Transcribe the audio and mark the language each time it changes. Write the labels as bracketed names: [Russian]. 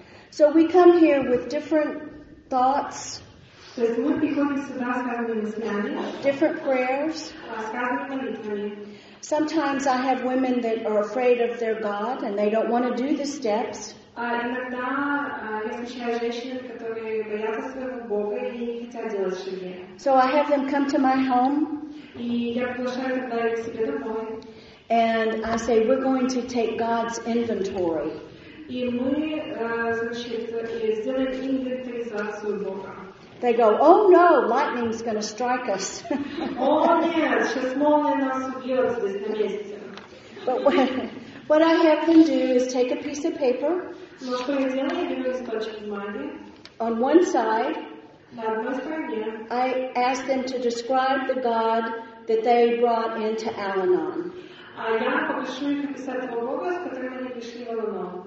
[English] So we come here with different thoughts. [Russian] То есть мы приходим сюда с разными мыслями. [English] Different prayers. [Russian] С разными молитвами. [English] Sometimes I have women that are afraid of their God and they don't want to do the steps. [Russian] Иногда я встречаю женщины, которые боятся своего Бога и не хотят делать шаги. [English] So I have them come to my home. [Russian] И я приглашаю их к себе домой. [English] And I say, we're going to take God's inventory. [Russian] И мы, значит, сделаем инвентаризацию Бога. [English] They go, oh no, lightning's going to strike us. [Russian] Oh нет, сейчас молния нас убьет здесь на месте. [English] But what I have them do is take a piece of paper. [Russian] Но что я делаю, я беру листочек бумаги. [English] On one side. [Russian] На одной стороне. [English] I ask them to describe the God that they brought into Al-Anon. [Russian] А я попрошу их написать того Бога, с которым они пришли в Al-Anon.